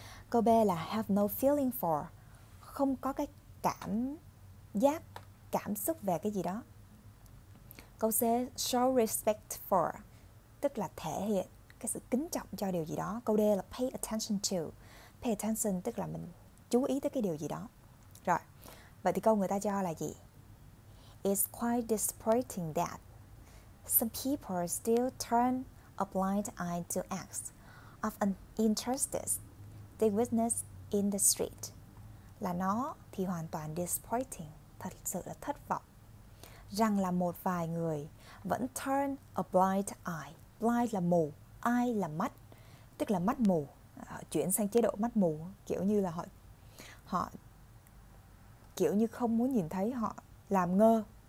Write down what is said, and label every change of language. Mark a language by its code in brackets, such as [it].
[vi] Câu B là [en] have no feeling for, [vi] không có cái cảm giác, cảm xúc về cái gì đó. Câu C, [en] show respect for, [vi] tức là thể hiện cái sự kính trọng cho điều gì đó. Câu D là [en] pay attention to, [vi] pay attention tức là mình chú ý tới cái điều gì đó. Rồi, vậy thì câu người ta cho là gì? [en] It's quite disappointing that some people still turn a blind eye to acts of injustice they witness in the street. [vi] Là nó thì hoàn toàn disappointing, thật sự là thất vọng, rằng là một vài người vẫn [en] turn a blind eye. [vi] Blind là mù, eye là mắt, tức là mắt mù, chuyển sang chế độ mắt mù, kiểu như là họ kiểu như không muốn nhìn thấy, họ làm ngơ.